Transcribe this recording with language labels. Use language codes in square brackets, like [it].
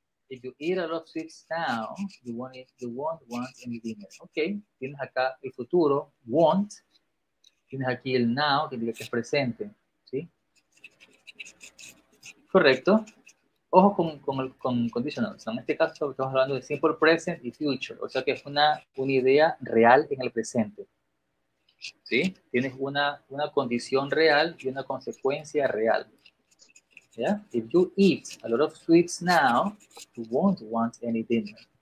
[en] If you eat a lot of sweets now, you won't want any dinner. [es] Okay, tienes acá el futuro, want. Tienes aquí el now, que diga que es presente. ¿Sí? Correcto. Ojo con conditionals. En este caso estamos hablando de simple present y future. O sea que es una idea real en el presente. ¿Sí? Tienes una condición real y una consecuencia real. ¿Ya? [en] If you eat a lot of sweets now, you won't want any dinner.